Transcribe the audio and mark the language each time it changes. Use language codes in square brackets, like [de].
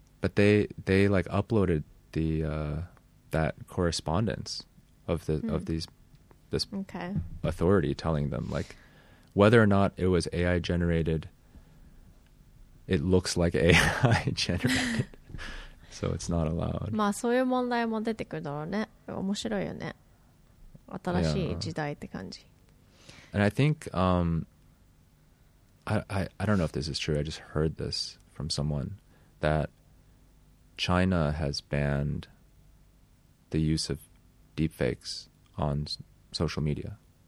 [en] But they like uploaded the that correspondence of the this authority telling them, like, whether or not it was AI generated, it looks like AI generated. So it's not allowed. [ja] まあそういう問題も出てくるだろうね。面白いよね。新しい時代って感じ。 [en] And I think I don't know if this is true, I just heard this from someone, that China has banned the use of deepfakes on social media.